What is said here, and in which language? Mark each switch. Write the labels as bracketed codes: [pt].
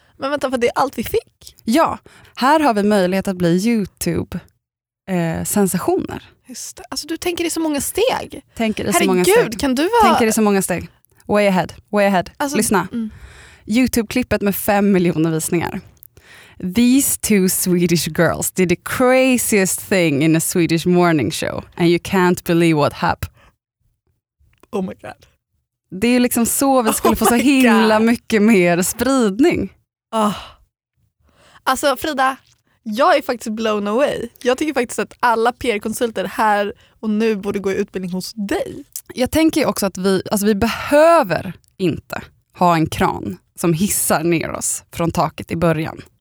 [sv] Men vänta, för det är allt vi fick. Ja, här har vi möjlighet att bli YouTube-sensationer. Just det. Alltså du tänker i så många steg. Tänker i Herregud, så många steg. Herregud, kan du vara... Tänker i så många steg. [en] Way ahead, way ahead. [sv] Alltså, lyssna. Mm. YouTube-klippet med 5 miljoner visningar. [en] "These two Swedish girls did the craziest thing in a Swedish morning show and you can't believe what happened." Oh my god. [sv] Det är liksom så vi skulle få så himla mycket mer spridning. [en] Oh. [sv] Alltså Frida, jag är faktiskt [en] blown away. [sv] Jag tycker faktiskt att alla PR-konsulter här och nu borde gå i utbildning hos dig. Jag tänker också att vi behöver inte ha en kran som hissar ner oss från taket i början.